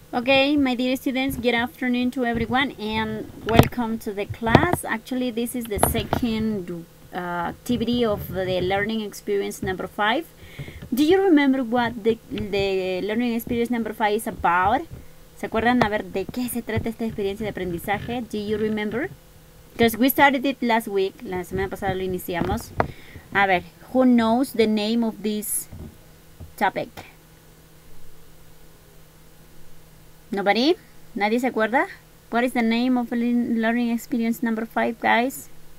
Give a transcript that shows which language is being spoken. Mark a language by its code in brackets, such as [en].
[en] Okay, my dear students, good afternoon to everyone and welcome to the class. Actually, this is the second activity of the learning experience number 5. Do you remember what the learning experience number 5 is about? [es] ¿Se acuerdan? A ver, ¿de qué se trata esta experiencia de aprendizaje? [en] Do you remember? Because we started it last week. [es] La semana pasada lo iniciamos. A ver, [en] who knows the name of this topic? Nobody? [es] Nadie se acuerda? [en] What is the name of learning experience number 5, guys?